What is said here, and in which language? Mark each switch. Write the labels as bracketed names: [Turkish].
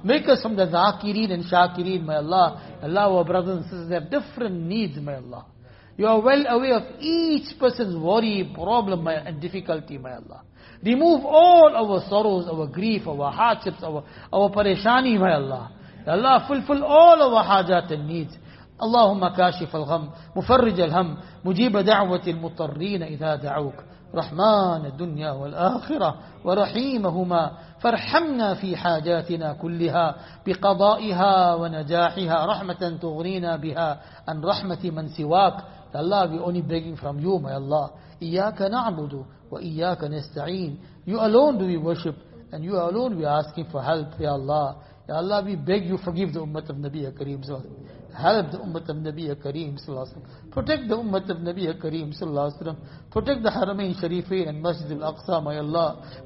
[English] Make us from the zakirin and shakirin, my Allah. Allah, our brothers and sisters have different needs, my Allah. You are well aware of each person's worry, problem, and difficulty, my Allah. Remove all our sorrows, our grief, our hardships, our parishani, my Allah. Ya Allah, fulfill all our hajat and needs. [Arabic] اللهم كاشف الغم مفرج الهم مجيب دعوة المضطرين إذا دعوك رحمن الدنيا والآخرة ورحيمهما فارحمنا في حاجاتنا كلها بقضائها ونجاحها رحمة تغنينا بها عن رحمة من سواك. [English] Allah, we only begging from you, my Allah. [Arabic] إياك نعبد وإياك نستعين. [English] You alone do we worship and you alone we asking for help, ya Allah. Ya Allah, we beg you forgive the ummah of Nabi Kareem. Help the ummah of Nabi Kareem sallallahu alaihi wasallam. Protect the ummah of Nabi Kareem sallallahu alaihi wasallam. Protect the Haramain Sharifain and Masjid al-Aqsa, my Allah.